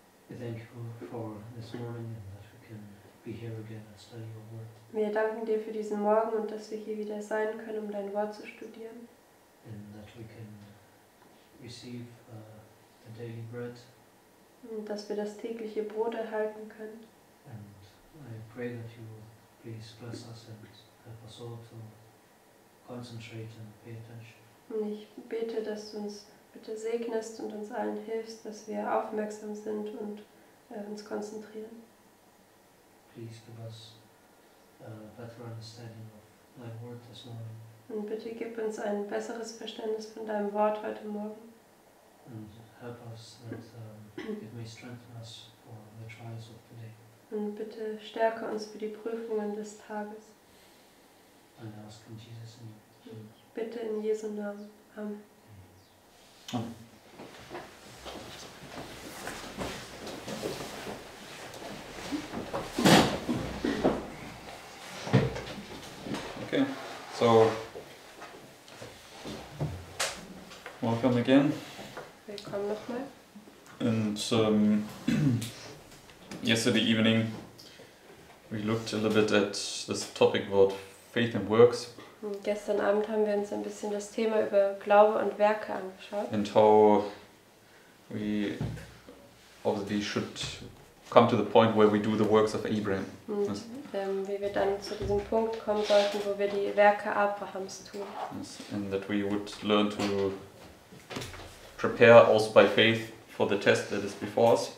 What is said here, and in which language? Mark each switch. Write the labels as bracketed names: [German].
[English] We thank you for this morning and that we can be here again and study your word. [German] Wir danken dir für diesen Morgen und dass wir hier wieder sein können, um dein Wort zu studieren. [English] And that we can receive the daily bread. [German] Und dass wir das tägliche Brot erhalten können. [English] And I pray that you will please bless us and help us all to concentrate and pay attention. [German] Und ich bete, dass du uns bitte segnest und uns allen hilfst, dass wir aufmerksam sind und uns konzentrieren. [English] Please give us a better understanding of thy word this morning. [German] Und bitte gib uns ein besseres Verständnis von deinem Wort heute Morgen. [English] And help us that it may strengthen us for the trials of today. [German] Und bitte stärke uns für die Prüfungen des Tages. [English] And ask in Jesus' name. [German] Ich bitte in Jesu Namen. Amen. [English] Okay, so welcome again. [German] Willkommen nochmal. [English] And yesterday evening we looked a little bit at this topic about faith and works. [German] Gestern Abend haben wir uns ein bisschen das Thema über Glaube und Werke angeschaut. [English] And how we obviously should come to the point where we do the works of Abraham. [German] Wie wir dann zu diesem Punkt kommen sollten, wo wir die Werke Abrahams tun. [English] Yes. And that we would learn to prepare also by faith for the test that is before us.